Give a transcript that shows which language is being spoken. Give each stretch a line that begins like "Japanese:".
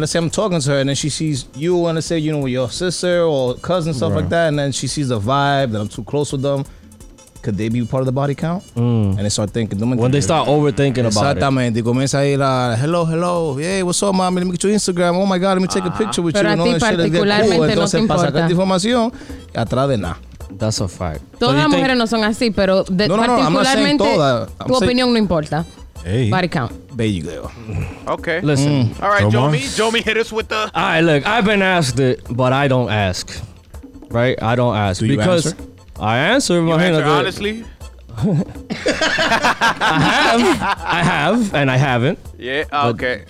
English: Let's say I'm talking to her and then she sees you and let's say, you know, with your sister or cousin, stuff right. like that. And then she sees the vibe that I'm too close with them. Could they be part of the body count? Mm. And they start thinking. When they start overthinking about it. Exactamente. They
Spanish: comienza a ir a,
English: hello. Hey, what's up, mommy? Let me get your Instagram. Oh, my God. Let me take a picture with
Spanish: pero
English: you.
Spanish: Pero a ti particularmente no te importa. Entonces, para sacar información, atrás de nada.
English: That's a fact.
Spanish: Todas las mujeres no son así, pero particularmente tu opinión no importa.
English: Hey. Body count. There you go. Okay. Listen. All right, Jomi, hit us with the... All right, look, I've been asked it, but I don't ask. Right? I don't ask. Do because you answer? I answer. You answer honestly? I have, and I haven't. Yeah, okay.